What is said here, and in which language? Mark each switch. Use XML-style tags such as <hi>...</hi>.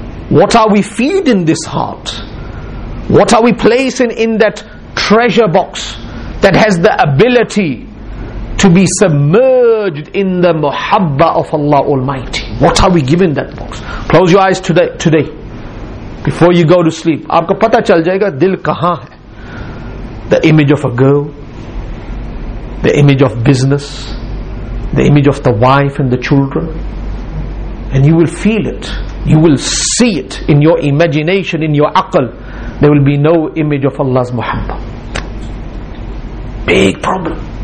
<en>What are we feeding this heart? What are we placing in that treasure box that has the ability to be submerged in the muhabba of Allah Almighty? What are we giving that box? Close your eyes today. Before you go to sleep,</en> <ur>آپ کو پتا چل جائے گا دل کہاں ہے۔</ur> <en>The image of a girl, the image of business, the image of the wife and the children. And you will feel it. You will see it in your imagination, in your aql. There will be no image of Allah's muhabba. Big problem.</en>